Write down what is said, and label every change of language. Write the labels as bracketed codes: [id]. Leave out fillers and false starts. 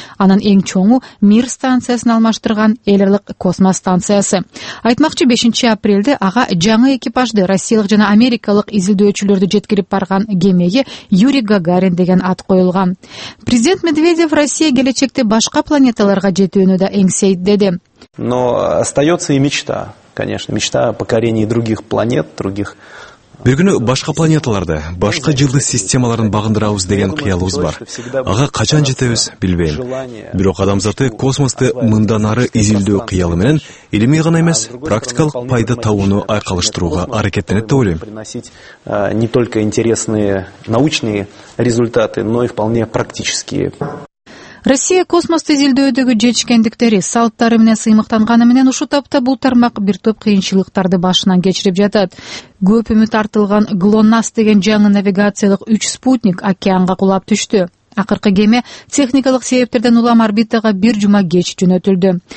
[ky] Анын эң чоңу Мир станциясын алмаштырган эл аралык космос станциясы. Айтмакчы, 5 апрелде ага жаңы экипажды, россиялык жана америкалык изилдөөчүлөрдү жеткирип барган кемеге Юрий Гагарин деген ат коюлган. Президент Медведев Россия келечекте башка планеталарга жетүүнү да эңсейт деди. [ru] Но остается и мечта, конечно, мечта о покорении других планет, других. [ky] Бир күнү башка планеталарды, башка жылдыз системаларын багындырабыз деген кыялыбыз бар. Ага качан жетебиз билбейм. Бирок адамзаты космосту мындан ары изилдөө кыялы менен илимий гана эмес, практикалык пайда табууну айкалыштырууга аракеттенет деп ойлойм. [ru] Не только интересные научные результаты, но и вполне практические. [ky] Россия космосту изилдөөдөгү жетишкендиктери, салттары менен сыймыктанганы менен ушул тапта бул тармак бир топ кыйынчылыктарды башынан кечирип жатат. Көп үмүт артылган ГЛОНАСС деген жаңы навигациялык 3 спутник океанга кулап түштү. Акыркы кеме техникалык себептерден улам орбитага бир жума кеч жөнөтүлдү.